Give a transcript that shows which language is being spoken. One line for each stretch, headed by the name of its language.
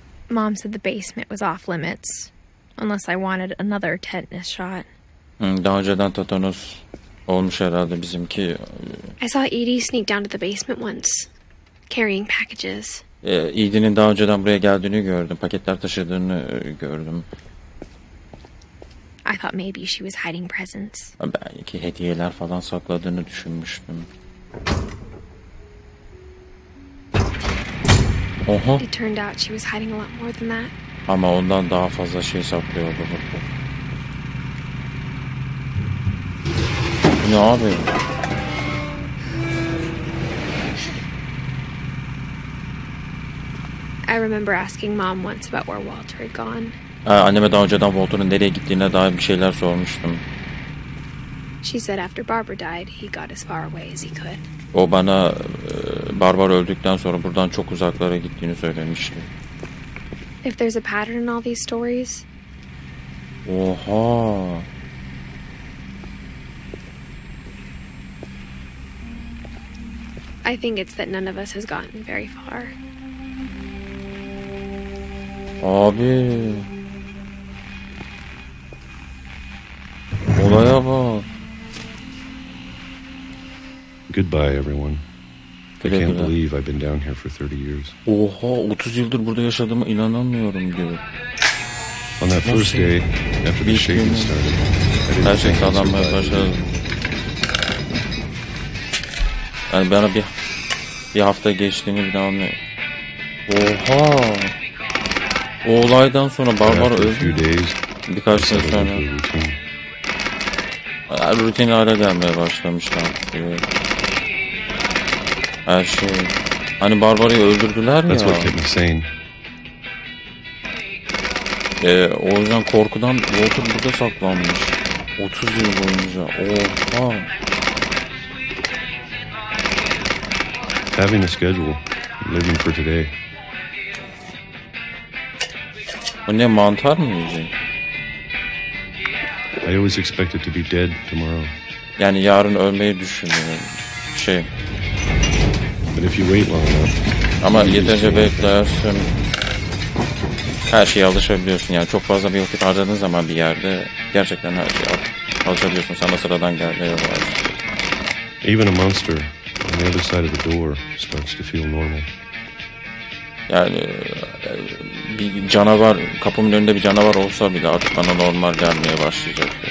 English: Mom said the basement was off limits, unless I wanted another tetanus shot.
Turkish: Daha önceden tetanus olmuş herhalde bizimki.
English: I saw Edie sneak down to the basement once, carrying packages.
Turkish: Edie'nin daha önceden buraya geldiğini gördüm. Paketler taşıdığını gördüm.
English: I thought maybe she was hiding presents.
Turkish: Belki hediyeler falan sakladığını düşünmüştüm. Oha.
English: It turned out she was hiding a lot more than that.
Turkish: Ama ondan daha fazla şey saklıyordu burada. Ne abi?
English: I remember asking mom once about where Walter had gone.
Turkish: Anneme daha önceden Walter'ın nereye gittiğine dair bir şeyler sormuştum.
English: She said after Barbara died, he got as far away as he could.
Turkish: O bana Barbara öldükten sonra buradan çok uzaklara gittiğini söylemişti.
English: If there's a pattern in all these stories.
Turkish: Oha.
English: I think it's that none of us has gotten very far.
Turkish: Abi. Olaya bak.
English: Goodbye everyone. I can't believe I've been down here for 30 years.
Turkish: Oha, 30 yıldır burada yaşadığımı inanamıyorum diyor.
English: On that first day, after the shaking started,
Turkish: her şey sağlanmaya başladı. Yani bana bir hafta geçtiğini bir daha anlıyor. Oha. O olaydan sonra Barbara öldü. Birkaç gün sonra. Yani rutin hale gelmeye başlamıştı. Evet. Her şey. Hani Barbara'yı öldürdüler ya.
English: That's what kept me sane.
Turkish: O yüzden korkudan Walter burada saklanmış. 30 yıl boyunca. Oha.
English: Having a schedule. Living for today.
Turkish: O ne, mantar mı yiyecek?
English: I always expected to be dead tomorrow.
Turkish: Yani yarın ölmeyi düşünüyorum. Şey.
English: But if you wait long enough,
Turkish: ama yeterince beklersin, her şeye alışabiliyorsun. Yani çok fazla bir vakit harcadığın zaman bir yerde gerçekten her şeye alışabiliyorsun. Sana sıradan gelmeye başlıyor.
English: Even a monster on the other side of the door starts to feel normal.
Turkish: Yani bir canavar, kapımın önünde bir canavar olsa bile artık bana normal gelmeye başlayacak.